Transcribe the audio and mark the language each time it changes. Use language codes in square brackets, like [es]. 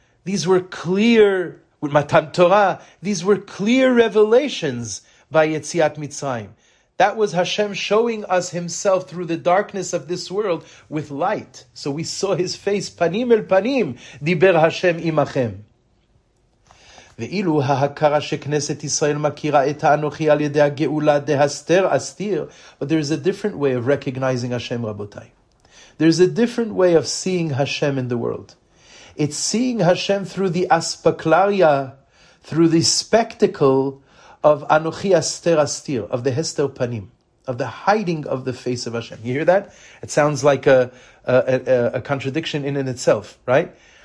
[en] These were clear, with Matan Torah, these were clear revelations by Yetziat Mitzrayim. That was Hashem showing us himself through the darkness of this world with light. So we saw his face, Panim el Panim, Diber Hashem Imachem. [he] ואילו ההכרה שכנסת ישראל מכירה את האנוכי על ידי הגאולה דהסתר אסתיר. [en] But there is a different way of recognizing Hashem, רבותיי. There's a different way of seeing Hashem in the world. It's seeing Hashem through the aspaklaria, through the spectacle of Anochi Aster Astir, of the Hester Panim, of the hiding of the face of Hashem. You hear that? It sounds like a contradiction in and itself, right?